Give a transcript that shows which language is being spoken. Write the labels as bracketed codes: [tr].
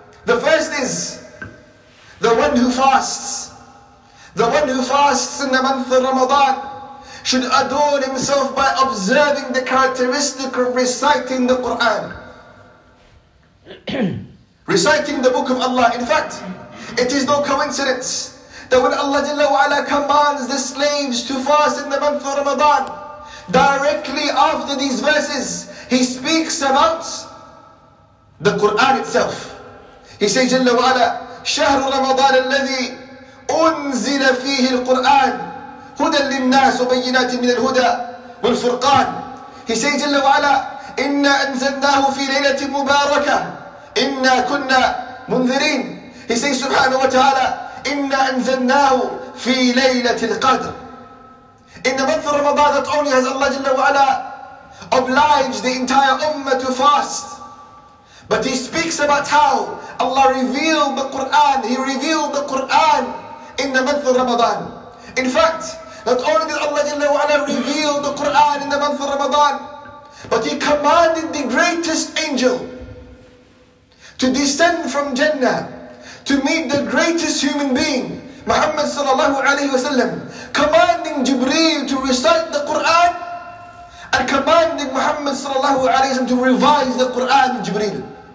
[en] The first is the one who fasts in the month of Ramadan should adorn himself by observing the characteristic of reciting the Quran, reciting the book of Allah. In fact, it is no coincidence that when Allah Jalla wa Ala commands the slaves to fast in the month of Ramadan, directly after these verses, he speaks about the Quran itself. He says, [ar] Jalla wa Ala, شهر رمضان الذي أنزل فيه القرآن هدى للناس وبينات من الهدى والفرقان. [en] He says, [ar] Jalla wa Ala, إنا أنزلناه في ليلة مباركة إنا كنا منذرين. [en] He says, [ar] سبحانه وتعالى, إنا أنزلناه في ليلة القدر. [en] In the month of Ramadan, that only has Allah Jalla wa Ala obliged the entire ummah to fast. But he speaks about how Allah revealed the Quran. He revealed the Quran in the month of Ramadan. In fact, not only did Allah Jalla wa Ala reveal the Quran in the month of Ramadan, but he commanded the greatest angel to descend from Jannah to meet the greatest human being, Muhammad sallallahu alayhi wasallam, commanding Jibreel to recite the Quran and commanding Muhammad sallallahu alayhi wasallam to revise the Quran, Jibreel.